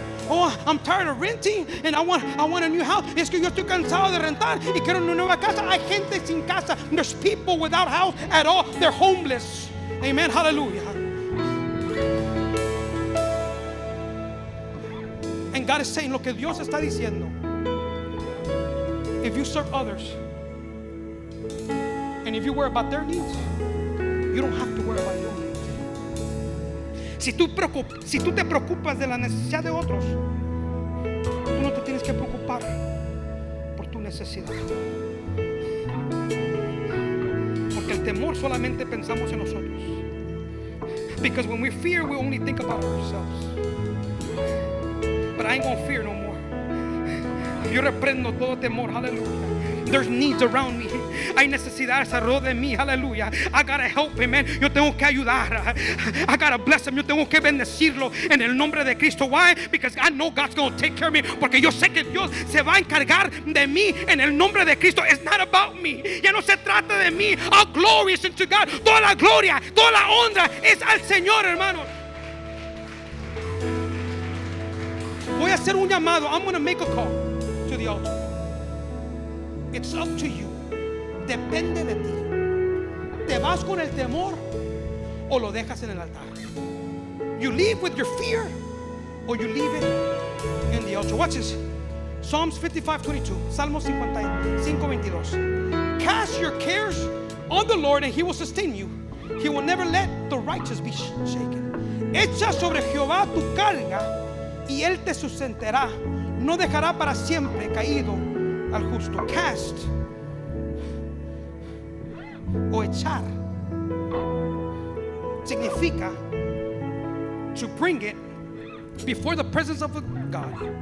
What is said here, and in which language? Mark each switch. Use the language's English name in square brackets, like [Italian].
[English] Oh, I'm tired of renting and I want a new house. [Spanish] Es que yo estoy cansado de rentar y quiero una nueva casa. Hay gente sin casa. [English] There's people without house at all. They're homeless. Amen. Hallelujah. And God is saying, [Spanish] lo que Dios está diciendo, [English] if you serve others and if you worry about their needs, you don't have to worry about your needs. [Spanish] Si tú te preocupas de la necesidad de otros, tú no te tienes que preocupar por tu necesidad. Porque el temor solamente pensamos en nosotros. [English] Because when we fear, we only think about ourselves. But I ain't gonna fear no more. [Spanish] Yo reprendo todo temor. [English] Hallelujah. There's needs around me. [Spanish] Hay necesidades alrededor de mí. [English] Hallelujah. I gotta help him, man. [Spanish] Yo tengo que ayudar. [English] I gotta bless him. [Spanish] Yo tengo que bendecirlo en el nombre de Cristo. [English] Why? Because I know God's gonna take care of me. [Spanish] Porque yo sé que Dios se va a encargar de mí en el nombre de Cristo. [English] It's not about me. [Spanish] Ya no se trata de mí. [English] All glory is unto God. [Spanish] Toda la gloria, toda la honra es al Señor, hermano. Voy a hacer un llamado. [English] I'm gonna make a call to the altar. It's up to you. [Spanish] Depende de ti. ¿Te vas con el temor o lo dejas en el altar? [English] You leave with your fear or you leave it in the altar. Watch this. Psalms 55:22. Salmo 55:22. Cast your cares on the Lord and he will sustain you. He will never let the righteous be shaken. [Spanish] Echa sobre Jehová tu carga y él te sustentará. No dejará para siempre caído al justo. Cast o echar significa [English] to bring it before the presence of God.